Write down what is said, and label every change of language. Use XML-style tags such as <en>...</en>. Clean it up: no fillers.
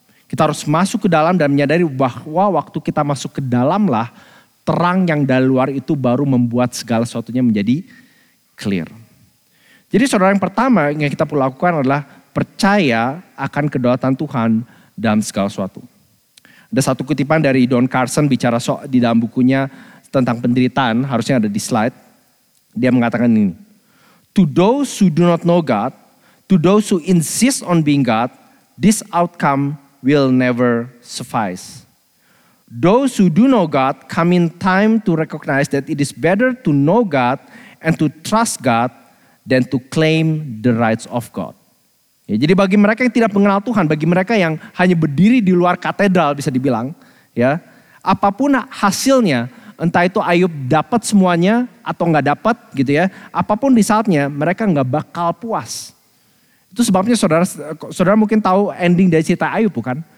<id>Kita harus masuk ke dalam dan menyadari bahwa waktu kita masuk ke dalamlah terang yang dari luar itu baru membuat segala sesuatunya menjadi clear. Jadi saudara yang pertama yang kita perlu lakukan adalah percaya akan kedaulatan Tuhan dalam segala sesuatu. Ada satu kutipan dari Don Carson bicara di dalam bukunya tentang penderitaan, harusnya ada di slide.</id> <en>Dia mengatakan ini, "To those who do not know God, to those who insist on being God, this outcome will never suffice. Those who do know God come in time to recognize that it is better to know God and to trust God than to claim the rights of God."</en> <id>Ya, jadi bagi mereka yang tidak mengenal Tuhan, bagi mereka yang hanya berdiri di luar katedral bisa dibilang, ya, apapun hasilnya, entah itu Ayub dapat semuanya atau enggak dapat gitu ya, apapun resultnya mereka enggak bakal puas. Itu sebabnya saudara mungkin tahu ending dari cerita Ayub bukan?</id>